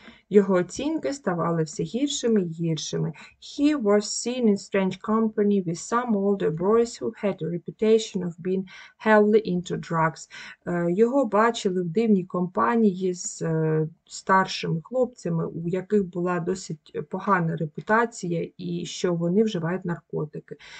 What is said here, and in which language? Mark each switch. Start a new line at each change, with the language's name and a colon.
Ukrainian: Його оцінки ставали все гіршими і гіршими.
English: He was seen in strange company with some older boys who had a reputation of being heavily into drugs.
Ukrainian: Його бачили в дивній компанії з старшими хлопцями, у яких була досить погана репутація і що вони вживають наркотики.